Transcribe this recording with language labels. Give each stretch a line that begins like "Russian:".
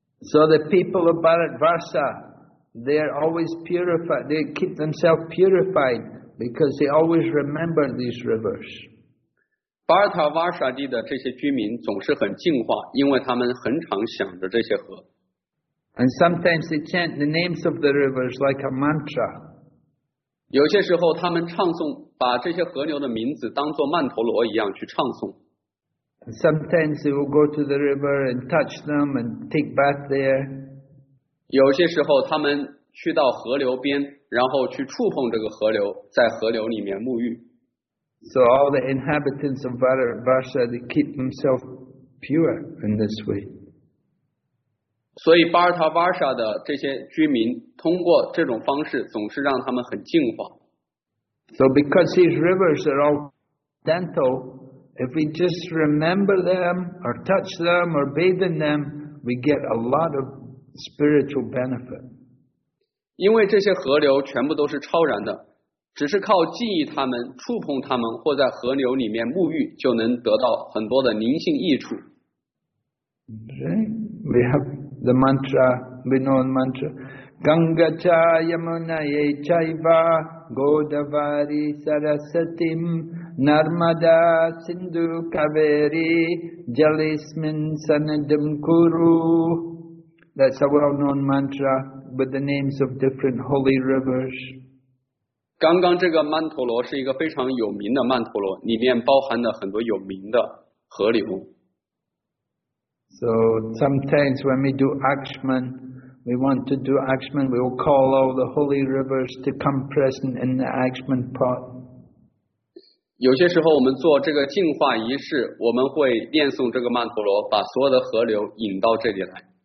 English: So the people of Bharatvarsa, they are always purified. They keep themselves purified because they always remember these rivers.
Chinese: 巴尔塔瓦沙地的这些居民总是很净化，因为他们很常想着这些河。
English: And sometimes they chant the names of the rivers like a mantra.
Chinese: 有些时候他们唱诵，把这些河流的名字当作曼陀罗一样去唱诵。
English: And sometimes they will go to the river and touch them and take bath there.
Chinese: 有些时候他们去到河流边，然后去触碰这个河流，在河流里面沐浴。
English: So all the inhabitants of Bharatvarsha they keep themselves pure in this way.
Chinese: 所以巴尔塔瓦沙的这些居民通过这种方式总是让他们很净化。
English: So because these rivers are all dental, if we just remember them or touch them or bathe in them, we get a lot of spiritual benefit.
Chinese: 因为这些河流全部都是超然的。只是靠记忆他们、触碰他们，或在河流里面沐浴，就能得到很多的灵性益处。
English: Right. We have the mantra, we know the mantra.
Sanskrit: Ganga cha Yamuna ye chaiva Godavari Sarasatim Narmada Sindhu Kaveri Jalismin Sanadam Kuru.
English: That's a well-known mantra with the names of different holy rivers.
Chinese: 刚刚这个曼陀罗是一个非常有名的曼陀罗，里面包含了很多有名的河流。
English: So sometimes when we do Akshman, we want to do Akshman, we will call all the holy rivers to come present in the Akshman pot.
Chinese: 有些时候我们做这个净化仪式，我们会念诵这个曼陀罗，把所有的河流引到这里来。